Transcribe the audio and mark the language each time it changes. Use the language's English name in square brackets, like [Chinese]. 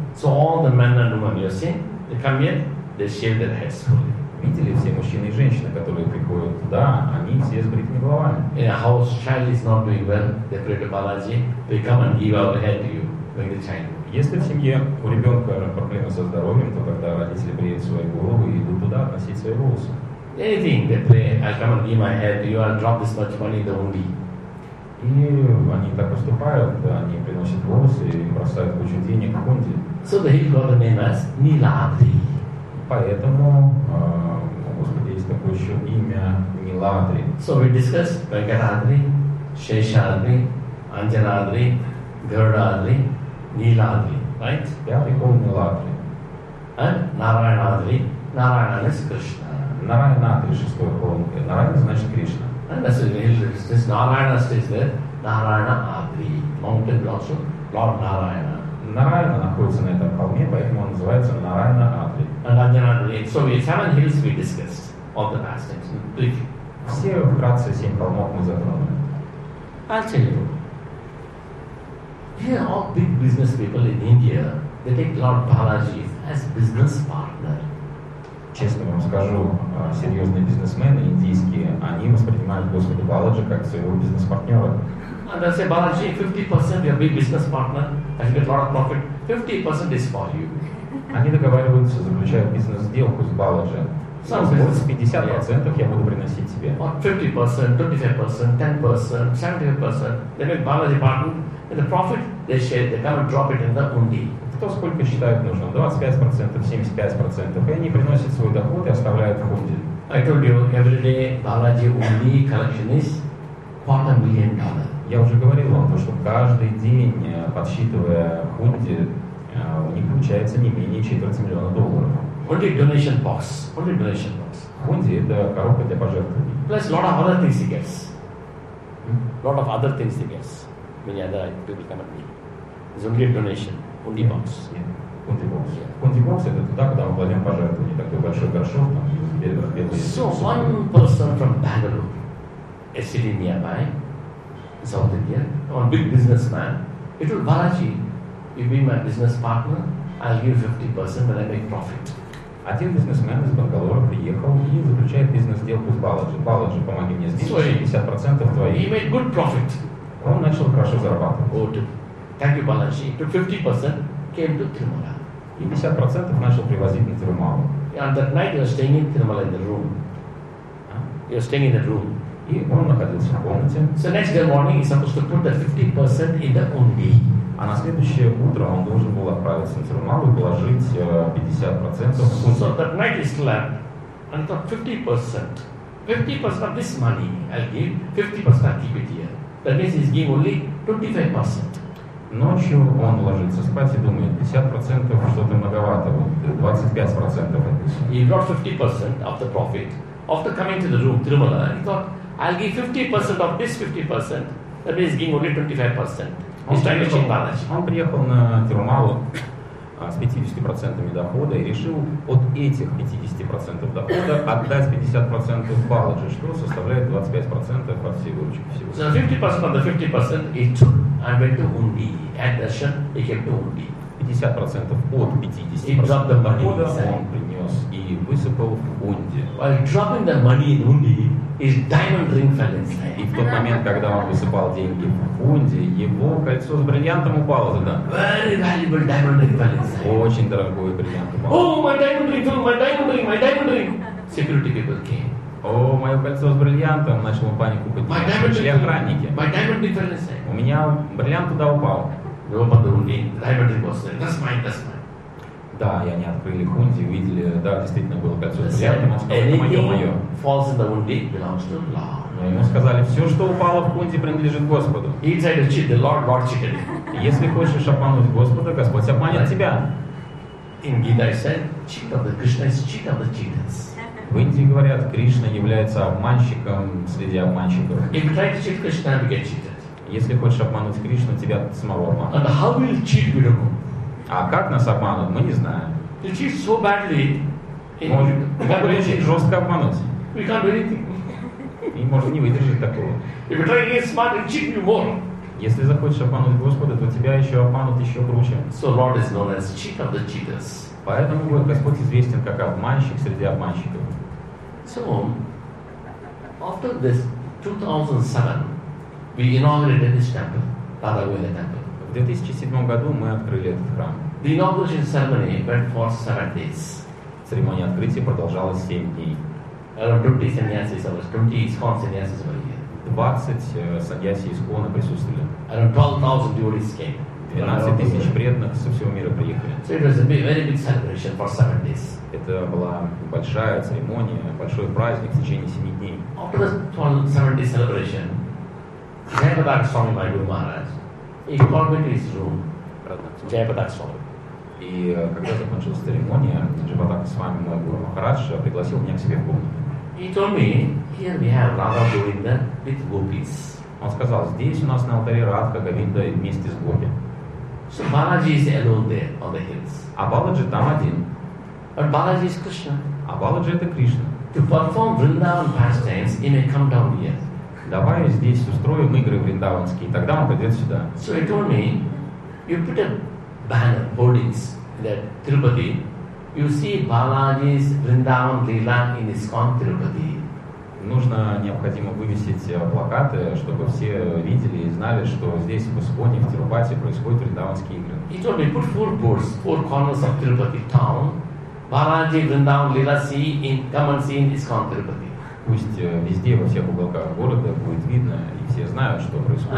[English] So all the men and women, you see, they come here, they shave their heads for you. [Russian] Видели все мужчины и женщины, которые приходят туда, они все с бритыми головами. [English] In a house, child is not doing well, they pray to Balaji, they come and give out the head to you, bring the child. [Russian] Если в семье у ребенка проблемы со здоровьем, то когда родители бреют свою голову и идут туда, носить свои волосы. [English] Anything, they pray, I'll come and give my head to you, I'll drop this much money, they won't be. [Russian] И они так поступают, да, они приносят волосы и бросают кучу денег в кунди. [English] So they got the name as Niladri. [Russian] Поэтому, Господи, есть такое еще имя Ниладри. [English] So we discussed Пагарадри, Шешадри, Анджанадри, Гарадри, Ниладри, right? Yeah, we call Ниладри. And Нараянадри. Нараянадри is Кришна. [Russian] Нараянадри, шестой колонки. Нараяна значит Кришна. [English] And that's the religious. This Нараяна stays there. Нараянадри. Mountain belongs to Lord Нараяна. [Russian] Нараяна находится на этом холме, поэтому он называется Нараянадри. [English] And Анджанадри. So we seven hills we discussed on the past times. Please. [Russian] Все вкратце семь холмов мы затронули. [English] I'll tell you. Here all big business people in India, they take Lord Balaji as business partner. [Russian] Честно вам скажу, серьезные бизнесмены индийские, они воспринимают Господа Баладжи как своего бизнес-партнера. [English] And they say, Balaji, 50% your big business partner, and you get a lot of profit, 50% is for you. [Russian] Они договариваются, заключают бизнес-сделку с Баладжи. Вот 50% я буду приносить тебе. [English] 50%, 25%, 10%, 75%, they make Balaji partner, and the profit, they share, they come and drop it in the undi. [Russian] Кто сколько считает нужно? 25%, 75%. И они приносят свой доход и оставляют в хунди. [English] I told you, every day Balaji undi collection is $250,000. [Russian] Я уже говорил вам, что каждый день, подсчитывая хунди, у них получается не менее $250,000. [English] Хунди – donation box. Хунди – donation box. [Russian] Хунди – это коробка для пожертвований. [English] Plus, lot of other things he gets. Lot of other things he gets. Many other people come and meet. It's only a donation. Хунди бокс. [Russian] Хунди бокс. Хунди бокс – это туда, куда мы кладем пожертвования. Такой большой горшок, там, белый. [English] So, one person from Bangalore, a city nearby, South India, one big businessman, he told Balaji, you be my business partner, I'll give you 50% when I make profit. [Russian] Один бизнесмен из Бангалора приехал и заключает бизнес-сделку с Баладжи. Баладжи, помоги мне сделать 50% твоих. [English] He made good profit. [Russian] Он начал хорошо зарабатывать. [English] Oh, thank you, Balaji. To 50% came to Tirumala. [Russian] И 50% начал привозить на Тирумалу. [English] And that night you were staying in Tirumala in the room. You were staying in the room. [Russian] И он находился в комнате. [English] So next day morning he's supposed to put the 50% in the undi. [Russian] А на следующее утро он должен был отправиться на Тирумалу и положить 50% в [English] хунди. So that night he slept and thought 50%. 50% of this money I'll give, 50% I'll keep it here. That means he's giving only 25%. [Russian] Ночью он ложится спать и думает, 50% что-то многовато, 25% отнесу. [English] He brought 50% of the profit. After coming to the room, Тирумала, he thought, I'll give 50% of this 50%. That means he's giving only 25%. [Russian] Он приехал на Тирумалу с 50% дохода и решил от этих 50% дохода отдать 50% Баладжи, что составляет 25% от всей выручки. [English] So 50% of the 50% he took and went to Undi. At the shop, he came to Undi. [Russian] 50% от 50% дохода он принес и высыпал в Унди. [English] While dropping the money in Undi, his diamond ring fell inside. [Russian] И в тот момент, когда он высыпал деньги в Унди, его кольцо с бриллиантом упало туда. [English] Very valuable diamond ring fell inside. [Russian] Очень дорогой бриллиант упал. [English] Oh, my diamond ring, my diamond ring, my diamond ring. Security people came. [Russian] О, мое кольцо с бриллиантом, начал он панику поднимать. [English] My diamond ring. [Russian] Охранники. [English] My diamond ring fell inside. [Russian] У меня бриллиант туда упал. [English] We opened the Undi, diamond ring was there. That's mine, that's mine. [Russian] Да, и они открыли хунди, увидели, да, действительно было кольцо с бриллиантом, он сказал, это мое, мое. [English] Falls in the undi belongs to Lord. [Russian] И ему сказали, все, что упало в хунди, принадлежит Господу. [English] Inside the chicken, the Lord bought chicken. [Russian] Если хочешь обмануть Господа, Господь обманет тебя. [English] In Gita it said, cheat of the Krishna is cheat of the cheaters. [Russian] В Индии говорят, Кришна является обманщиком среди обманщиков. [English] If you try to cheat Krishna, you get cheated. [Russian] Если хочешь обмануть Кришну, тебя самого обманут. [English] And how will you cheat, we don't know. [Russian] А как нас обманут, мы не знаем. [English] You cheat so badly. [Russian] Можно очень жестко обмануть. [English] We can't do anything. [Russian] И можно не выдержать такого. [English] If you try to get smart, you cheat me more. [Russian] Если захочешь обмануть Господа, то тебя еще обманут еще круче. [English] So Lord is known as cheat of the cheaters. [Russian] Поэтому Господь известен как обманщик среди обманщиков. [English] So after this 2007, we inaugurated this temple, Tathagata temple. [Russian] В 2007 году мы открыли этот храм. [English] The inauguration ceremony went for 7 days. [Russian] Церемония открытия продолжалась 7 дней. [English] Around 20 sannyasis, 20 iskon sannyasis were here. [Russian] 20 саньяси и скона присутствовали. [English] Around 12,000 devotees came. [Russian] 12 тысяч преданных со всего мира приехали. [English] So it was a very big celebration for 7 days. [Russian] Это была большая церемония, большой праздник в течение 7 дней. [English] After the 7-day celebration, Jayapadak Swami, my Guru Maharaj, he called me to his room. Jayapadak Swami. [Russian] И когда закончилась церемония, Jayapadak Swami, мой Guru Maharaj, пригласил меня к себе в комнату. [English] He told me, here we have Radha Govinda with gopis. [Russian] Он сказал, здесь у нас на алтаре Радха Говинда вместе с гопи. [English] So Balaji is alone there on the hills. [Russian] А Баладжи там один. [English] But Balaji is Krishna. [Russian] А Баладжи это Кришна. [English] To perform Vrindavan pastimes, he may come down here. [Russian] Давай здесь устроим игры вриндаванские, тогда он придет сюда. [English] So he told me, you put a banner, hoardings in that Tirupati, you see Balaji's Vrindavan Leela in his Tirupati. [Russian] Нужно, необходимо вывесить плакаты, чтобы все видели и знали, что здесь, в Исконе, в Тирупати, происходят вриндаванские игры. [English] He told me, put four corners of Tirupati town, Balaji, Vrindavan, Leela, come and see in Iskon Tirupati. [Russian] Пусть везде, во всех уголках города будет видно, и все знают, что происходит.